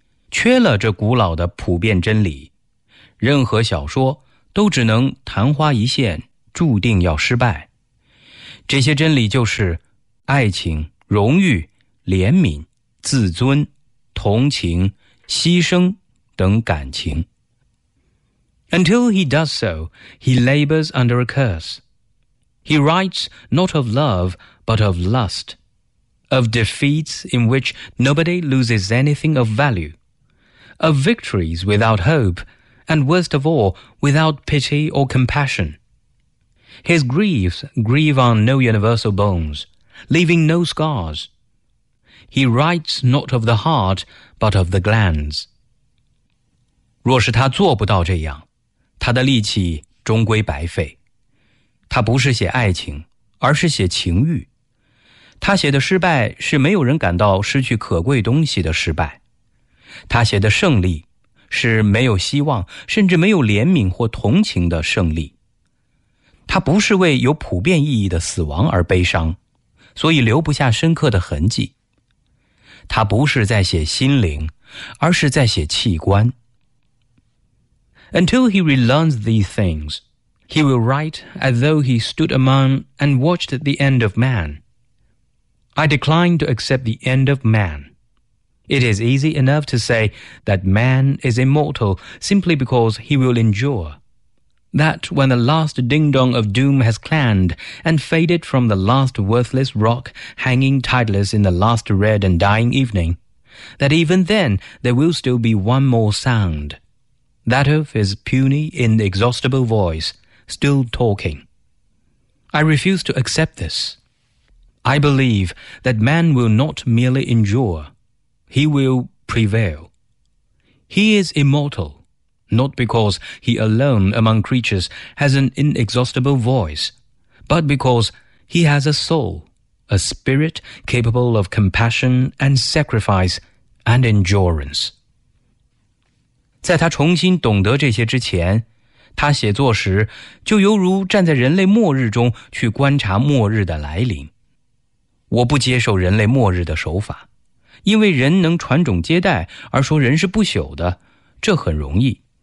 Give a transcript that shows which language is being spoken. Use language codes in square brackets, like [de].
[zh] 缺了这古老的普遍真理，任何小说都只能昙花一现，注定要失败。这些真理就是爱情、荣誉、怜悯、自尊、同情、牺牲等感情。 [en] Until he does so, he labors under a curse. He writes not of love, but of lust, of defeats in which nobody loses anything of value. Of victories without hope, and worst of all, without pity or compassion. His griefs grieve on no universal bones, leaving no scars. He writes not of the heart, but of the glands. [zh] 若是他做不到这样，他的力气终归白费。他不是写爱情，而是写情欲。他写的失败是没有人感到失去可贵东西的失败。他写的胜利是没有希望，甚至没有怜悯或同情的胜利。他不是为有普遍意义的死亡而悲伤，所以留不下深刻的痕迹。他不是在写心灵，而是在写器官。 [en] Until he relearns these things, he will write as though he stood among and watched the end of man. I decline to accept the end of man. It is easy enough to say that man is immortal simply because he will endure. That when the last ding-dong of doom has clanged and faded from the last worthless rock hanging tideless in the last red and dying evening, that even then there will still be one more sound. That of his puny, inexhaustible voice, still talking. I refuse to accept this. I believe that man will not merely endure, he will prevail. He is immortal, not because he alone among creatures has an inexhaustible voice, but because he has a soul, a spirit capable of compassion and sacrifice and endurance. [zh] 在他重新懂得这些之前，他写作时就犹如站在人类末日中去观察末日的来临。我不接受人类末日的手法，因为人能传种接代而说人是不朽的，这很容易。